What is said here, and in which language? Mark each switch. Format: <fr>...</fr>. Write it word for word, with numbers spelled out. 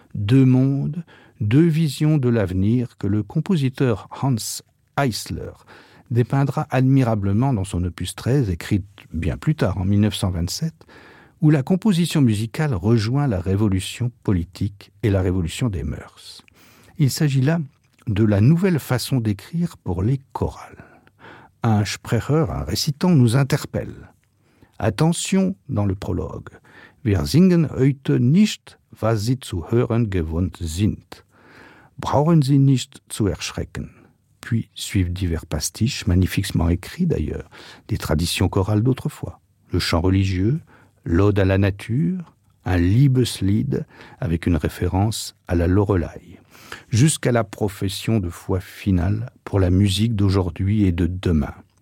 <fr>Deux mondes, deux visions de l'avenir que le compositeur Hans Eisler dépeindra admirablement dans son opus treize, écrite bien plus tard, en mille neuf cent vingt-sept, où la composition musicale rejoint la révolution politique et la révolution des mœurs. Il s'agit là de la nouvelle façon d'écrire pour les chorales. Un Sprecher, un récitant, nous interpelle. Attention dans le prologue.</fr> <de>Wir singen heute nicht, was Sie zu hören gewohnt sind. Brauchen Sie nicht zu erschrecken.</de> <fr>Puis suivent divers pastiches, magnifiquement écrits d'ailleurs, des traditions chorales d'autrefois. Le chant religieux, l'Ode à la nature, un Liebeslied avec une référence à la Lorelei, jusqu'à la profession de foi finale pour la musique d'aujourd'hui et de demain.</fr>